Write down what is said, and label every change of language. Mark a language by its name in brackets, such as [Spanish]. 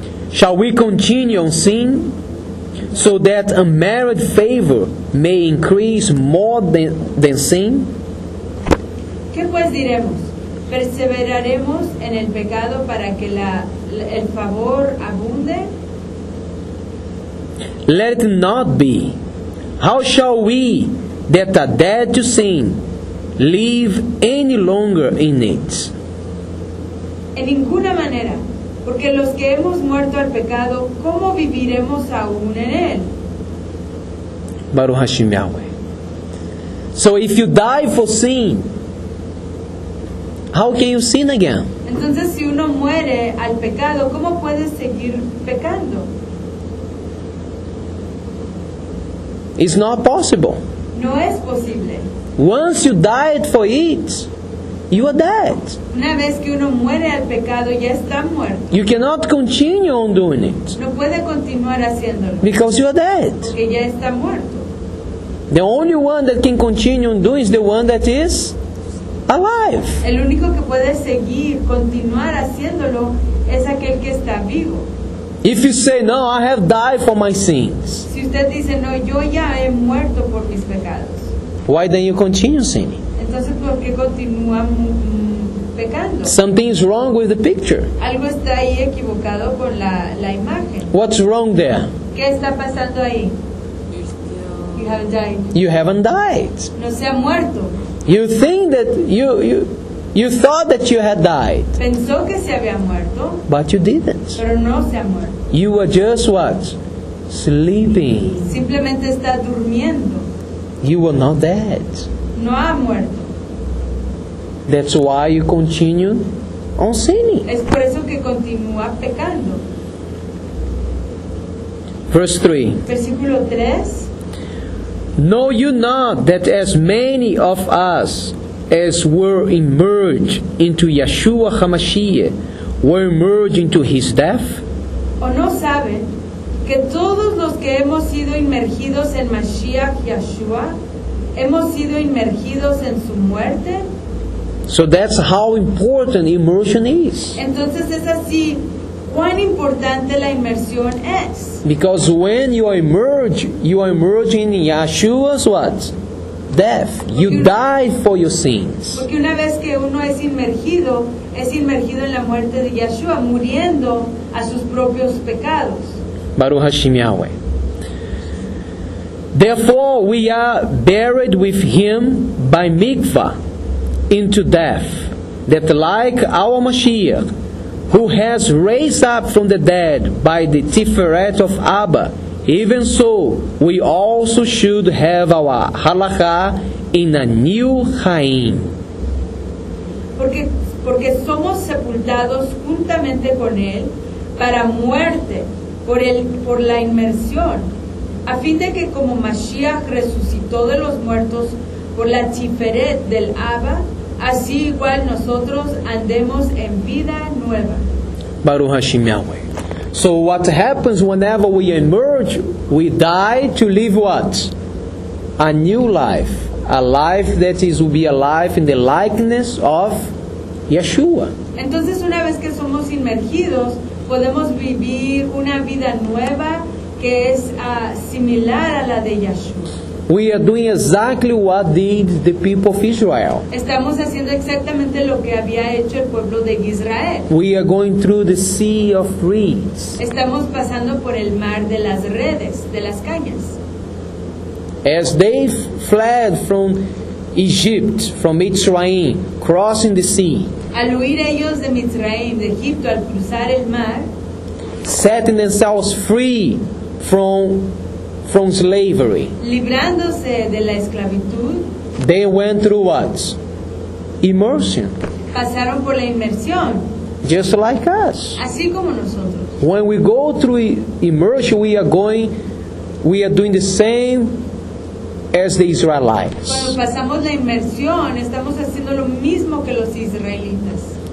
[English] Shall we continue on sin so that unmerited favor may increase more than sin? [Spanish] ¿Qué pues diremos? ¿Perseveraremos en el pecado para que el favor abunde? [English] Let it not be. How shall we that are dead to sin live any longer in it? [Spanish] En ninguna manera, porque los que hemos muerto al pecado, ¿cómo viviremos aún en él? [Hebrew] Baruch Hashem Yahweh. [English] So if you die for sin, how can you sin again? [Spanish] Entonces si uno muere al pecado, ¿cómo puede seguir pecando? [English] It's not possible. [Spanish] No es posible. [English] Once you died for it, you are dead. [Spanish] Una vez que uno muere al pecado, ya está muerto. [English] You cannot continue on doing it. [Spanish] No puede continuar haciéndolo. [English] Because you are dead. [Spanish] Porque ya está muerto. [English] The only one that can continue on doing is the one that is alive. [Spanish] El único que puede seguir, continuar haciéndolo, es aquel que está vivo. [English] If you say, no, I have died for my sins. [Spanish] Si usted dice, no, yo ya he muerto por mis pecados. [English] Why then you continue sinning? [Spanish] Entonces, ¿por qué continúa pecando? [English] Something is wrong with the picture. [Spanish] Algo está ahí equivocado con la imagen. [English] What's wrong there? [Spanish] ¿Qué está pasando ahí? [English] You haven't died. You haven't died. [Spanish] No se ha muerto. [English] You think that you You thought that you had died. [Spanish] Pensó que se había muerto. [English] But you didn't. [Spanish] Pero no se ha muerto. [English] You were just what? Sleeping. [Spanish] Simplemente está durmiendo. [English] You were not dead. [Spanish] No ha muerto. [English] That's why you continue on sinning. [Spanish] Es por eso que continúa pecando. [English] Verse 3. [Spanish] Versículo 3. [English] Know you not that as many of us as were immersed into Yeshua HaMashiach were immersed into his death? [Spanish] ¿O no saben que todos los que hemos sido inmergidos en Mashiach Yeshua hemos sido inmergidos en su muerte? [English] So that's how important immersion is. [Spanish] Entonces es así. ¿Cuán importante la inmersión es? [English] Because when you are immersed in Yeshua's what? Death. You died for your sins. [Spanish] Porque una vez que uno es inmergido en la muerte de Yeshua, muriendo a sus propios pecados. [Hebrew] Baruch Hashem Yahweh. [English] Therefore, we are buried with him by mikvah into death, that like our Mashiach, who has raised up from the dead by the Tiferet of Abba, even so, we also should have our halakha in a new chaim. [Spanish] Porque somos sepultados juntamente con él para muerte, por la inmersión, a fin de que como Mashiach resucitó de los muertos por la Tiferet del Abba, así igual nosotros andemos en vida nueva. [Hebrew] Baruch Hashem Yahweh. [English] So what happens whenever we emerge, we die to live what? A new life. A life that is will be a life in the likeness of Yeshua. [Spanish] Entonces una vez que somos inmergidos, podemos vivir una vida nueva que es similar a la de Yeshua. [English] We are doing exactly what did the people of Israel. [Spanish] Estamos haciendo exactamente lo que había hecho el pueblo de Israel. [English] We are going through the sea of reeds. [Spanish] Estamos pasando por el mar de las redes, de las cañas. [English] As they fled from Egypt, from Mitzrayim, crossing the sea. [Spanish] Al huir ellos de Mitzrayim, de Egipto, al cruzar el mar. [English] Setting themselves free from slavery. [Spanish] Librándose de la esclavitud. [English] They went through what? Immersion. [Spanish] Pasaron por la inmersión. [English] Just like us. [Spanish] Así como nosotros. [English] When we go through immersion, we are doing the same as the Israelites. [Spanish] Cuando pasamos la inmersión, estamos haciendo lo mismo que los israelitas.